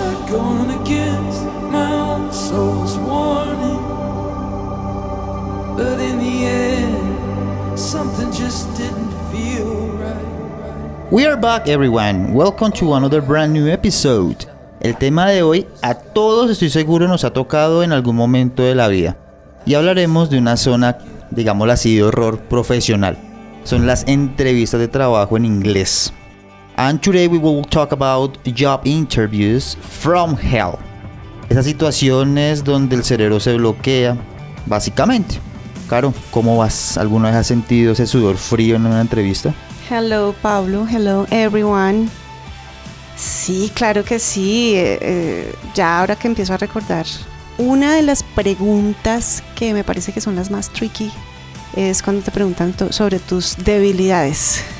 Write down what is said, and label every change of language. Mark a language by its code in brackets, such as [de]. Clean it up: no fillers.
[en] Gone against my own soul's warning, but in the end, something just didn't feel right. We are back, everyone. Welcome to another brand new episode. [es] El tema de hoy, a todos estoy seguro, nos ha tocado en algún momento de la vida. Y hablaremos de una zona, digámoslo así, de horror profesional. Son las entrevistas de trabajo en inglés. [en] And today we will talk about job interviews from hell. [es] Esas situaciones donde el cerebro se bloquea, básicamente. Caro, ¿cómo vas? ¿Alguna vez has sentido ese sudor frío en una entrevista? [en] Hello, Pablo. Hello, everyone. [es] Sí, claro que sí. Ya ahora que empiezo a recordar, una de las preguntas que me parece que son las más tricky es cuando te preguntan sobre tus debilidades.